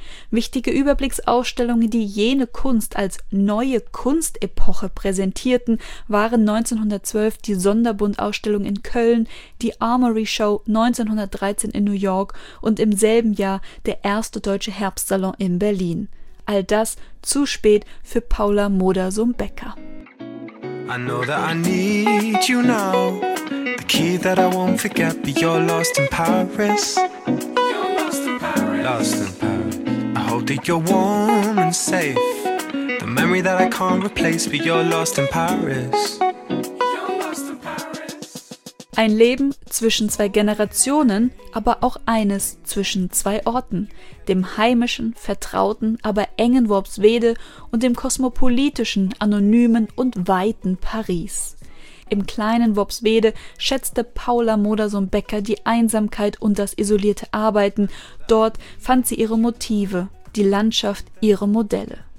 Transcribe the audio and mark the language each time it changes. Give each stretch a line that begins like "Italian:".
German: Wichtige Überblicksausstellungen, die jene Kunst als neue Kunstepoche präsentierten, waren 1912 die Sonderbundausstellung in Köln, die Armory Show 1913 in New York und im selben Jahr der erste deutsche Herbstsalon in Berlin. All das zu spät für Paula Modersohn-Becker.
English: I know that I need you now. The key that I won't forget, but you're lost in Paris. You're lost in Paris. Lost in Paris. I hope that you're warm and safe. The memory that I can't replace, but you're lost in Paris.
German: Ein Leben zwischen zwei Generationen, aber auch eines zwischen zwei Orten, dem heimischen, vertrauten, aber engen Worpswede und dem kosmopolitischen, anonymen und weiten Paris. Im kleinen Worpswede schätzte Paula Modersohn-Becker die Einsamkeit und das isolierte Arbeiten, dort fand sie ihre Motive, die Landschaft ihre Modelle.